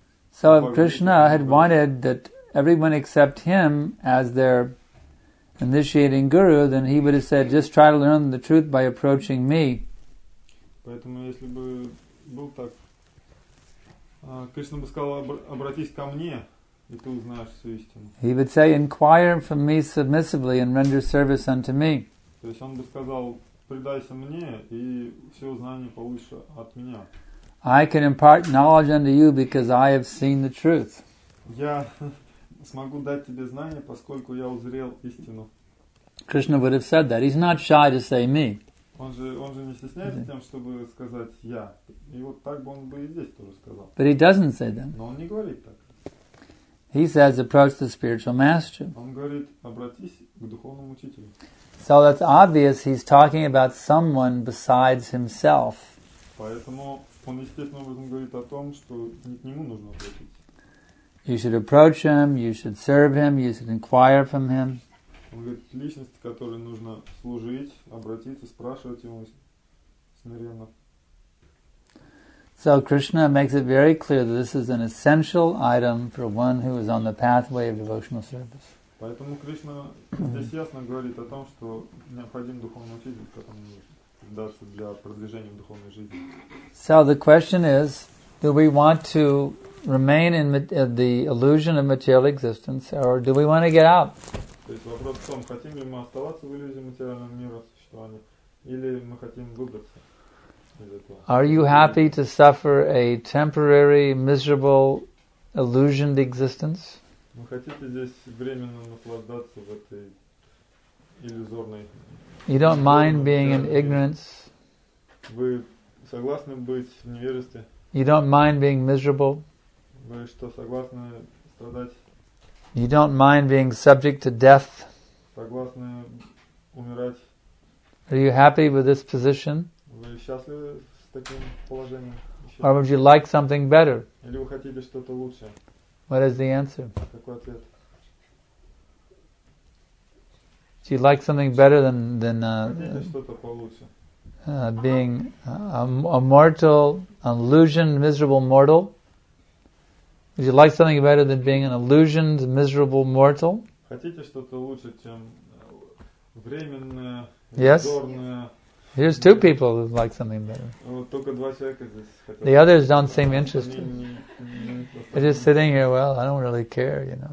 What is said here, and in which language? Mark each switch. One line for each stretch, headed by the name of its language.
English: So if Krishna had wanted that everyone accept him as their initiating guru, then he would have said, just try to learn the truth by approaching me.
Russian: Поэтому если бы был так, Кришна бы сказал, обратись ко мне, и ты узнаешь всю истину.
English: He would say, inquire from me submissively and render service unto me.
Russian: То есть он бы сказал, предайся мне, и все знания получишь от меня.
English: I can impart knowledge unto you because I have seen the truth.
Russian: Я смогу дать тебе знания, поскольку я узрел истину.
English: Krishna would have said that. He's not shy to say me.
Russian: Он же не стесняется тем, чтобы сказать «я». И вот так бы он бы и здесь тоже сказал.
English: But he doesn't say that.
Russian: Но он не говорит так.
English: He says, approach the spiritual master.
Russian: Он говорит, обратись к духовному учителю.
English: So that's obvious he's talking about someone besides himself.
Russian: Поэтому он естественно говорит о том, что к нему нужно обратиться.
English: You should approach him, you should serve him, you should inquire from him.
Russian: Он говорит, личность, которой нужно служить, обратиться, спрашивать ему смиренно.
English: So Krishna makes it very clear that this is an essential item for one who is on the pathway of devotional service.
Russian: Поэтому Кришна здесь ясно говорит о том, что необходим духовный учитель, который даст для продвижения в духовной жизни.
English: So the question is, do we want to remain in the illusion of material existence, or do we want to get out?
Russian: То есть вопрос в том, хотим ли мы оставаться в иллюзии материального мира существования, или мы хотим выбраться из этого.
English: Are you happy to suffer a temporary, miserable, illusioned existence?
Russian: Вы хотите здесь временно наслаждаться в этой иллюзорной...
English: You don't mind being in ignorance?
Russian: Вы согласны быть в невежестве?
English: You don't mind being miserable?
Russian: Вы что, согласны страдать?
English: You don't mind being subject to death?
Russian: Согласны умирать?
English: Are you happy with this position?
Russian: Вы счастливы с таким положением?
English: Or would you like something better?
Russian: Или вы хотели что-то лучше?
English: What is the answer?
Russian: Какой ответ?
English: Do you like something better than being a mortal, illusioned, miserable mortal? Would you like something better than being an illusioned, miserable mortal?
Russian: Хотите что-то лучше, чем временное,
English: yes. Here's two people who like something better.
Russian: Только два человека здесь хотят.
English: The others don't seem interested. They're just sitting here, well, I don't really care, you know.